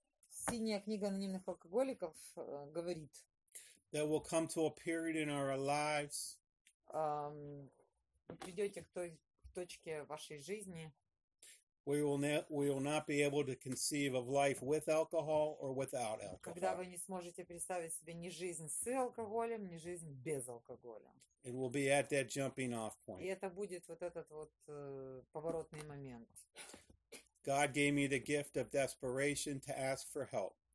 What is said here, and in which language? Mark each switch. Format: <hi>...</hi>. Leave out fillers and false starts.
<ru>Синяя книга анонимных алкоголиков говорит.</ru> <en>That we'll come to a period in our lives.</en> <ru>Вы придете к той точке вашей жизни.</ru> <en>We will not be able to conceive of life with alcohol or without alcohol.</en> <ru>Когда вы не сможете представить себе ни жизнь с алкоголем, ни жизнь без алкоголя.</ru> <en>It will be at that jumping off point.</en> <ru>И это будет вот этот вот поворотный момент.</ru> <en>God gave me the gift of desperation to ask for help.</en>